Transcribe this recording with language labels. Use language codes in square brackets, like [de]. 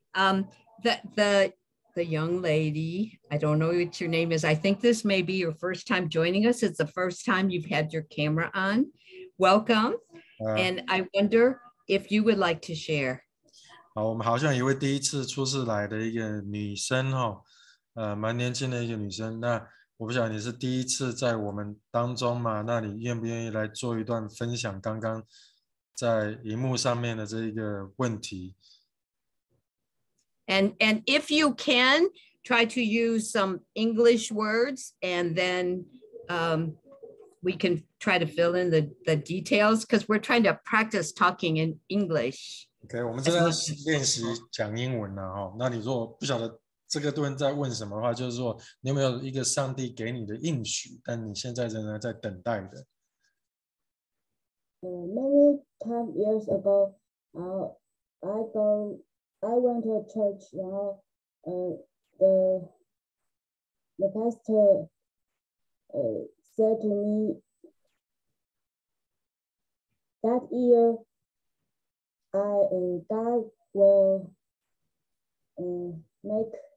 [en] The young lady, I don't know what your name is. I think this may be your first time joining us. It's the first time you've had your camera on. Welcome. And I wonder if you would like to share. [zh] 好，我们好像一位第一次初次来的一个女生哈，蛮年轻的一个女生。那我不晓得你是第一次在我们当中吗？那你愿不愿意来做一段分享刚刚在荧幕上面的这一个问题？ [en] And if you can, try to use some English words and then we can try to fill in the details because we're trying to practice talking in English. [zh] OK, 我们正在练习讲英文呢、那你如果不晓得这个人在问什么的话，就是说你有没有一个上帝给你的应许，但你现在仍然在等待的。 [en] Many time years ago, I went to a church, [zh] 然后 [en] the pastor said to me that year I and God will make.